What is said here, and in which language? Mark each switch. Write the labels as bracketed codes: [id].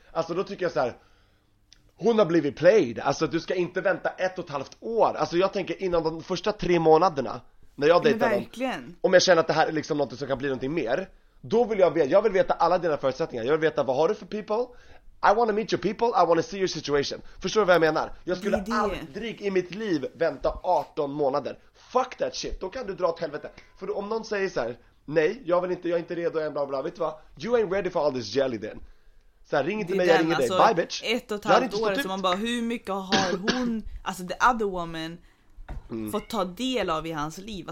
[sv] Alltså då tycker jag så här, hon har blivit played. Alltså du ska inte vänta 1,5 år. Alltså jag tänker innan de första 3 månaderna när jag dejtar verkligen. Om jag känner att det här är liksom något som kan bli någonting mer, då vill jag vill veta alla dina förutsättningar. Jag vill veta, vad har du för people? [en] I want to meet your people, I want to see your situation. [sv] Förstår du vad jag menar? Jag skulle aldrig i mitt liv vänta 18 månader. [en] Fuck that shit, [sv] då kan du dra åt helvete. För om någon säger så här, nej, jag är inte redo än, bla bla, vet du vad? [en] You ain't ready for all this jelly then. [sv] Så här, ring inte mig, jag ringer alltså, dig, bye bitch. 1,5 år, så man bara, hur mycket har hon, alltså [en] the other woman, [sv] fått ta del av i hans liv?